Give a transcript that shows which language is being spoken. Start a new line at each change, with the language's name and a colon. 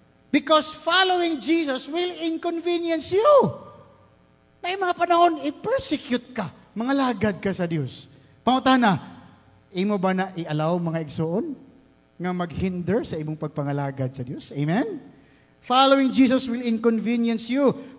English: Because following Jesus will inconvenience you.
Cebuano: Na yung mga panahon, i-persecute ka. Mga lagad ka sa Diyos. Pangutana, imo ba na i-allow mga igsoon nga mag-hinder sa imong pagpangalagad sa Diyos? Amen?
English: Following Jesus will inconvenience you.